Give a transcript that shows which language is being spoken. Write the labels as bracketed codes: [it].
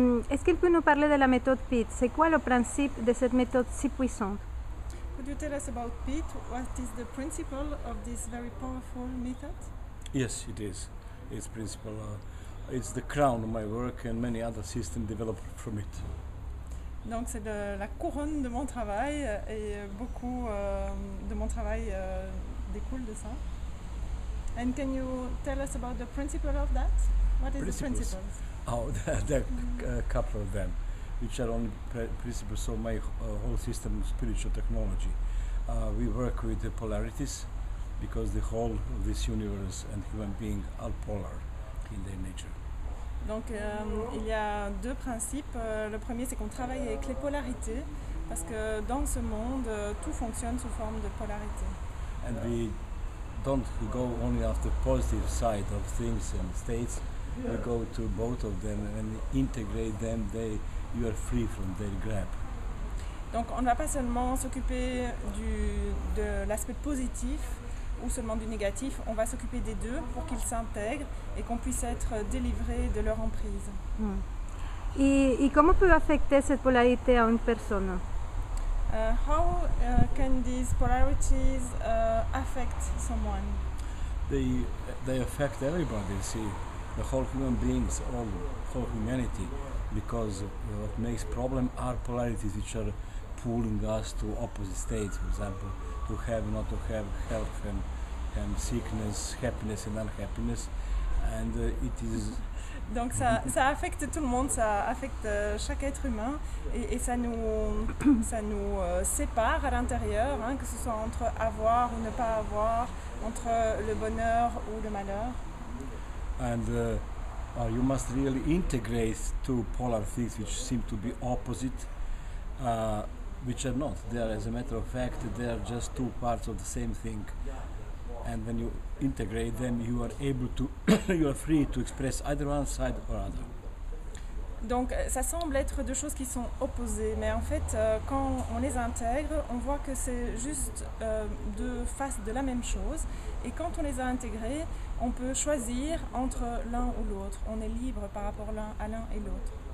[fr] Est-ce qu'il peut nous parler de la méthode Pitt? C'est quoi le principe de cette méthode si puissante? [en] Could you tell us about Pitt? What is the principle of this very powerful method? Yes, it is. Its principle, it's the crown of my work and many other systems developed from it. [fr] Donc c'est la couronne de mon travail et beaucoup de mon travail découle de ça. [en] And can you tell us about the principle of that? What is principles? The principle? Oh, there are a couple of them, which are only principles of my whole system of spiritual technology. We work with the polarities, because the whole of this universe and human being are polar in their nature. [fr] Donc, il y a deux principes. Le premier, c'est qu'on travaille avec les polarités, parce que dans ce monde, tout fonctionne sous forme de polarité. [en] And we don't go only after the positive side of things and states. Yeah. We go to both of them and integrate them. You are free from their grab. [fr] Donc, on ne va pas seulement s'occuper de l'aspect positif ou seulement du négatif. On va s'occuper des deux pour qu'ils s'intègrent et qu'on puisse être délivré de leur emprise. Et comment peut affecter cette polarité à une personne? [en] How can these polarities affect someone? They affect everybody. See. The whole human beings, all whole humanity, because what makes problem are polarities which are pulling us to opposite states, for example, to have, not to have, health and sickness, happiness and unhappiness, and it is... [fr] Donc ça affecte tout le monde, ça affecte chaque être humain, et ça nous sépare à l'intérieur, hein, que ce soit entre avoir ou ne pas avoir, entre le bonheur ou le malheur. [en] And you must really integrate two polar things which seem to be opposite, which are not. They are, as a matter of fact, they are just two parts of the same thing. And when you integrate them, you are able to, you are free to express either one side or other. [fr] Donc, ça semble être deux choses qui sont opposées, mais en fait, quand on les intègre, on voit que c'est juste deux faces de la même chose. Et quand on les a intégrées, on peut choisir entre l'un ou l'autre. On est libre par rapport à l'un et l'autre.